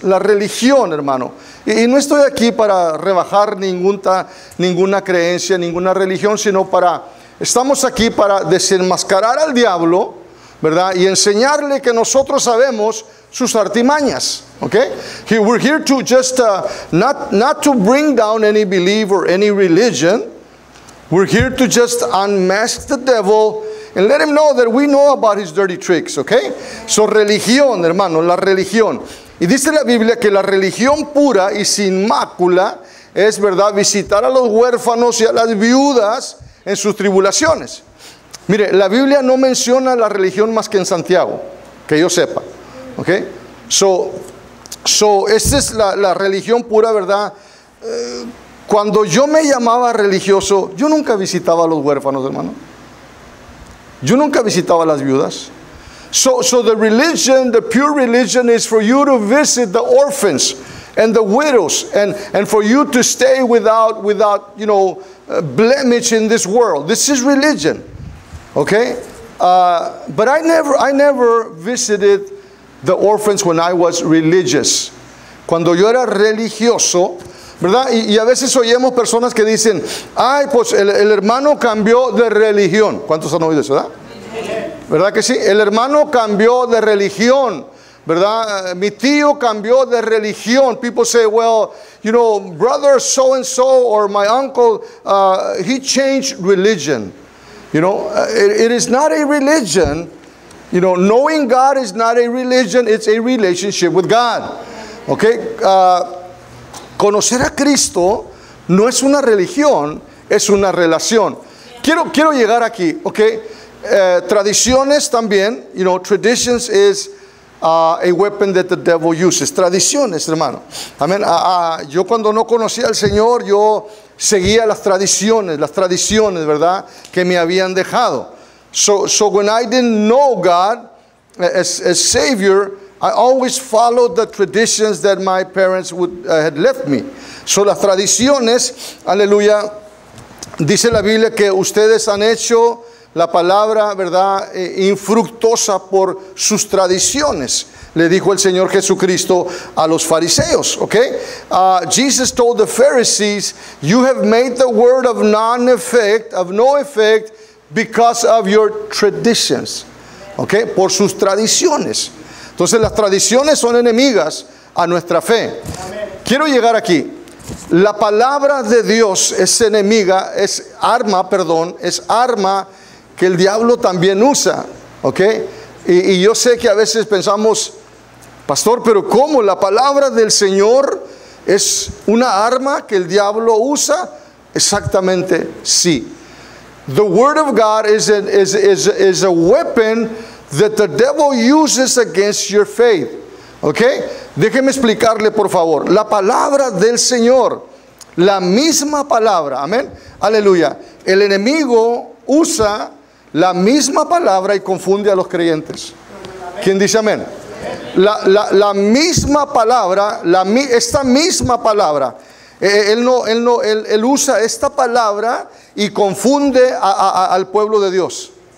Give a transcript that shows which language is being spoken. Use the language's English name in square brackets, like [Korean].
[Spanish] La religión, hermano. Y no estoy aquí para rebajar ninguna creencia, ninguna religión, sino para, estamos aquí para desenmascarar al diablo, ¿verdad? Y enseñarle que nosotros sabemos sus artimañas, ¿okay? [English] We're here to just, not to bring down any belief or any religion. We're here to just unmask the devil and let him know that we know about his dirty tricks, okay? [Spanish] So religión, hermano, la religión. Y dice la Biblia que la religión pura y sin mácula es, ¿verdad?, visitar a los huérfanos y a las viudas en sus tribulaciones. Mire, la Biblia no menciona la religión más que en Santiago, que yo sepa, okay? So esta es la religión pura, ¿verdad? Cuando yo me llamaba religioso, yo nunca visitaba a los huérfanos, hermano. Yo nunca visitaba a las viudas. [English] So the religion, the pure religion is for you to visit the orphans and the widows and for you to stay without, you know, blemish in this world. This is religion. Okay? But I never visited the orphans when I was religious. [Spanish] Cuando yo era religioso, ¿verdad? Y a veces oyemos personas que dicen, ay, pues el hermano cambió de religión. ¿Cuántos han oído eso, verdad? ¿Verdad que sí? El hermano cambió de religión, ¿verdad? Mi tío cambió de religión. [English] People say, well, you know, brother so and so or my uncle, he changed religion. You know, it is not a religion. You know, knowing God is not a religion. It's a relationship with God. Okay? [Spanish] Conocer a Cristo no es una religión, es una relación. Quiero llegar aquí, ¿ok? Tradiciones también, [English] you know, traditions is a weapon that the devil uses. [Spanish] Tradiciones, hermano. Amén. Yo cuando no conocía al Señor, yo seguía las tradiciones, ¿verdad? Que me habían dejado. [English] So when I didn't know God as Savior, I always followed the traditions that my parents had left me. [Spanish] So las tradiciones, aleluya, dice la Biblia que ustedes han hecho la palabra, ¿verdad?, infructuosa por sus tradiciones, le dijo el Señor Jesucristo a los fariseos, ¿ok? [English] Jesus told the Pharisees, you have made the word of no effect because of your traditions, ¿ok? [Spanish] Por sus tradiciones. Entonces las tradiciones son enemigas a nuestra fe. Amén. Quiero llegar aquí. La palabra de Dios es arma que el diablo también usa. ¿Ok? Y yo sé que a veces pensamos, pastor, pero ¿cómo? La palabra del Señor es una arma que el diablo usa. Exactamente, sí. [English] The word of God is a weapon that the devil uses against your faith. [Spanish] Okay? Déjeme explicarle, por favor. La palabra del Señor, la misma palabra, amén, aleluya. El enemigo usa la misma palabra y confunde a los creyentes. ¿Quién dice amén? La misma palabra, esta misma palabra, él usa esta palabra y confunde al pueblo de Dios.